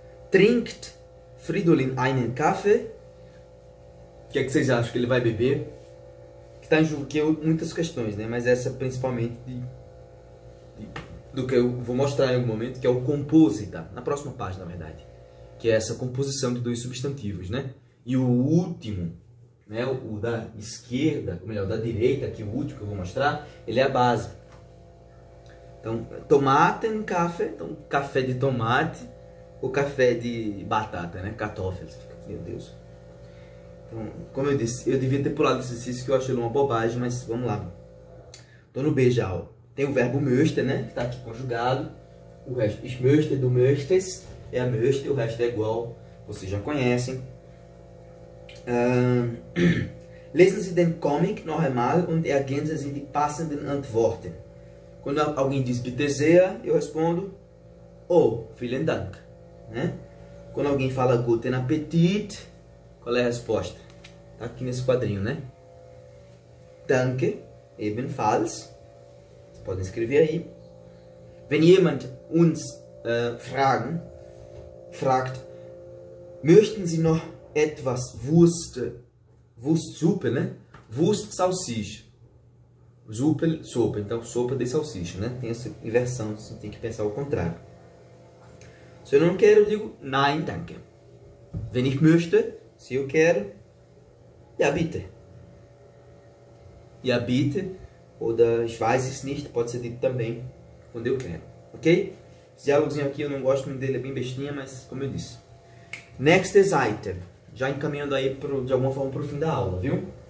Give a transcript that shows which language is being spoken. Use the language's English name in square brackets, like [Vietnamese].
[German] Trinkt Fridolin einen Kaffee? [Portuguese] O que é que vocês acham que ele vai beber? Que tá em jogo aqui muitas questões, né? Mas essa principalmente do que eu vou mostrar em algum momento, que é o composita, na próxima página, na verdade. Que é essa composição de dois substantivos, né? E o último, né? O da esquerda, ou melhor, o da direita, que é o último que eu vou mostrar, ele é a base. Então, tomate em café, então café de tomate ou café de batata, né? Kartoffel, meu Deus. Então, como eu disse, eu devia ter pulado esse exercício que eu achei uma bobagem, mas vamos lá. Tô no B já, ó. Tem o verbo möchte, né? Que tá aqui conjugado. O resto, [German] ich möchte, du möchtest, [Portuguese] é a möchte, o resto é igual. Vocês já conhecem. [German] Lesen Sie den Comic noch einmal und ergänzen Sie die passenden Antworten. [Portuguese] Quando alguém diz [German] bitte sehr, [Portuguese] eu respondo [German] oh, vielen Dank. [Portuguese] Né? Quando alguém fala [German] guten Appetit, [Portuguese] qual é a resposta? Tá aqui nesse quadrinho, né? [German] Danke, ebenfalls. [Portuguese] Vocês podem escrever aí. [German] Wenn jemand uns fragt, möchten Sie noch etwas Wurst, Wurstsuppe, né? [Portuguese] Wurstsalsicha. Suppe, sopa. Então, sopa de salsicha, né? Tem essa inversão, você tem que pensar o contrário. Se eu não quero, eu digo [German] nein, danke. Wenn ich möchte, [Portuguese] se eu quero, [German] ja bitte. ihr bitte, oder ich weiß es nicht, [Portuguese] pode ser dito também quando eu quero, ok? Esse diálogozinho aqui eu não gosto muito dele, é bem bestinha, mas como eu disse. Next Seite, já encaminhando aí pro, de alguma forma para o fim da aula, viu?